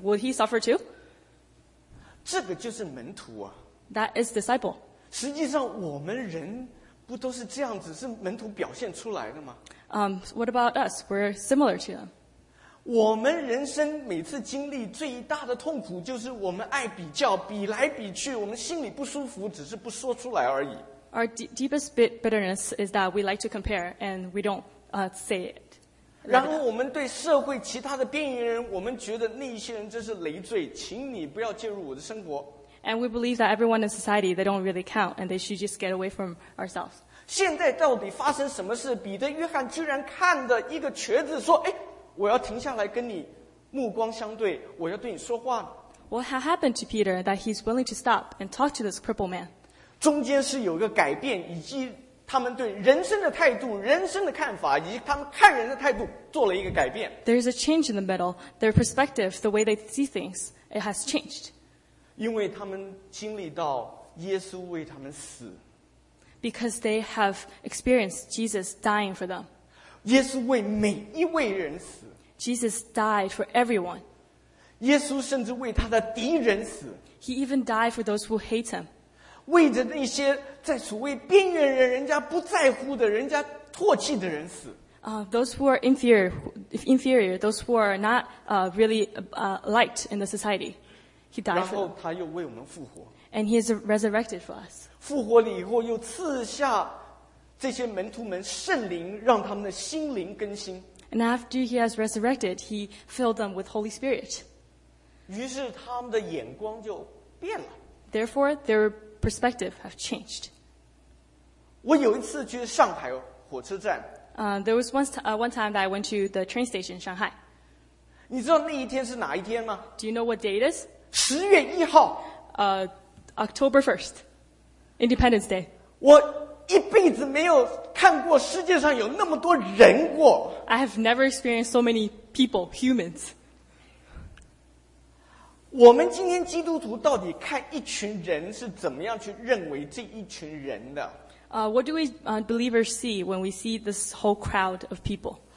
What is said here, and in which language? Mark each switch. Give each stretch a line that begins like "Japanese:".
English: Will he suffer too?"
Chinese: 这个就是门徒啊。
English: That is disciple.
Chinese: 实际上，我们人不都是这样子，是门徒表现出来的吗
English: ？What about us? We're similar to them.
Chinese: 我们人生每次经历最大的痛苦就是我们爱比较，比来比去，我们心里不舒服，只是不说出来而已。
English: Our deepest bitterness is that we like to compare and we don't say it.
Chinese: 然后我们对社会其他的边缘人，我们觉得那些人真是累赘，请你不要介入我的生活。
English: And we believe that everyone in society, they don't really count and they should just get away from ourselves.
Chinese: 现在到底发生什么事？彼得、约翰居然看着一个瘸子说，哎，我要停下来跟你目光相对，我要对你说话。
English: What happened to Peter that he's willing to stop and talk to this crippled man?
Chinese: 中间是有一个改变，以及他们对人生的态度、人生的看法，以及他们看人的态度做了一个改变。
English: There's a change in the middle. Their perspective, the way they see things, it has changed.
Chinese: 因为他们经历到耶稣为他们死。
English: Because they have experienced Jesus dying for them.
Chinese: 耶稣为每一位人死。
English: Jesus died for everyone.
Chinese: 耶稣甚至为他的敌人死。
English: He even died for those who hate him.
Chinese: 为着那些在所谓边缘人，人家不在乎的，人家唾弃的人死。
English: Those who are inferior, those who are not really liked in the society, he died for them.
Chinese: 然后他又为我们复活。
English: And he is resurrected for us.
Chinese: 复活了以后又赐下这些门徒们圣灵，让他们的心灵更新。
English: And after he has resurrected, he filled them with Holy Spirit.
Chinese: 于是他们的眼光就变了。
English: Therefore, their perspective have changed.
Chinese: 我有一次去上海火车站。
English: There was one time that I went to the train station in Shanghai.
Chinese: 你知道那一天是哪一天吗
English: ？Do you know what day it is?
Chinese: 十月一号。
English: October 1st, Independence Day.
Chinese: 我一辈子没有看过世界上有那么多人过。
English: I have never experienced so many people, humans.
Chinese: 我们今天基督徒到底看一群人是怎么样去认为这一群人的？
English: What do we believers see when we see this whole crowd of people?